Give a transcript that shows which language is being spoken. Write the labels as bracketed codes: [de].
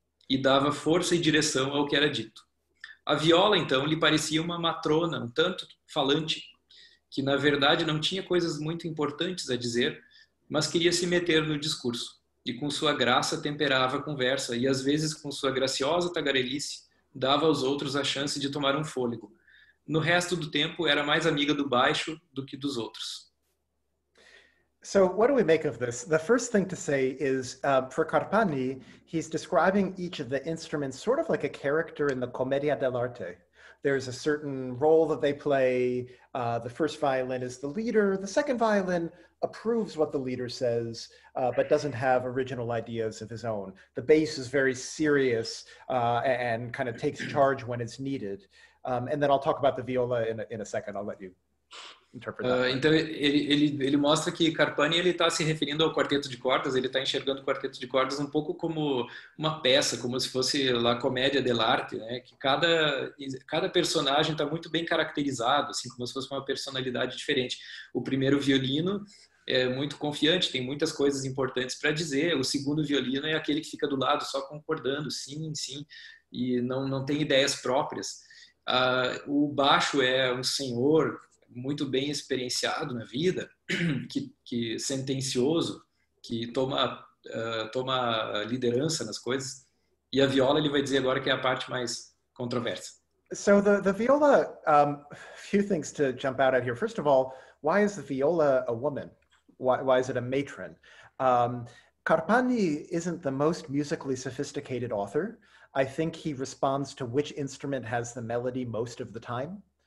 [pt] e dava força e direção ao que era dito. A viola, então, lhe parecia uma matrona, um tanto falante, que na verdade não tinha coisas muito importantes a dizer, mas queria se meter no discurso, e com sua graça temperava a conversa, e às vezes com sua graciosa tagarelice dava aos outros a chance de tomar um fôlego. No resto do tempo, era mais amiga do baixo do que dos outros. [en] So what do we make of this? The first thing to say is for Carpani, he's describing each of the instruments sort of like a character in the Commedia dell'arte. There's a certain role that they play. The first violin is the leader. The second violin approves what the leader says, but doesn't have original ideas of his own. The bass is very serious and kind of takes charge when it's needed. And then I'll talk about the viola in a second. I'll let you interpret that. [pt] Então, ele mostra que Carpani, ele está se referindo ao quarteto de cordas, ele está enxergando o quarteto de cordas um pouco como uma peça, como se fosse La Commedia dell'arte, né? Que cada personagem está muito bem caracterizado, assim, como se fosse uma personalidade diferente. O primeiro violino é muito confiante, tem muitas coisas importantes para dizer. O segundo violino é aquele que fica do lado só concordando, sim, sim, e não tem ideias próprias. O baixo é um senhor muito bem experienciado na vida, que sentencioso, que toma liderança nas coisas. E a viola, ele vai dizer agora que é a parte mais controversa. [en] So the viola, few things to jump out at here. First of all, why is the viola a woman? Why is it a matron? Carpani isn't the most musically sophisticated author. I think he responds to which instrument has the melody most of the time.